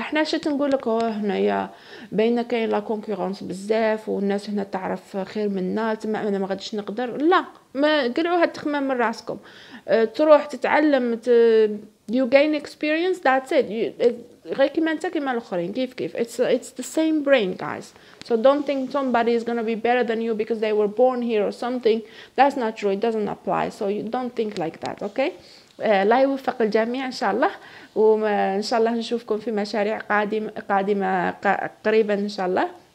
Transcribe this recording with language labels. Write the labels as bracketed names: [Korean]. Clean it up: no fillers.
[Arabic] حنا اش تنقول لك هنايا باينه كاين لا كونكورونس بزاف والناس هنا تعرف خير منا، تما انا ما غاديش نقدر. لا، ما قلعوا هاد التخمام من راسكم، تروح تتعلم [English] you gain experience, that's it. [Arabic] غير كيما انت كيما الاخرين كيف كيف. [English] It's the same brain, guys. So don't think somebody is going to be better than you because they were born here or something. That's not true. It doesn't apply. So you don't think like that, okay? [Arabic] لا يوفق الجميع ان شاء الله, وان شاء الله نشوفكم في مشاريع قادمه قريبا ان شاء الله.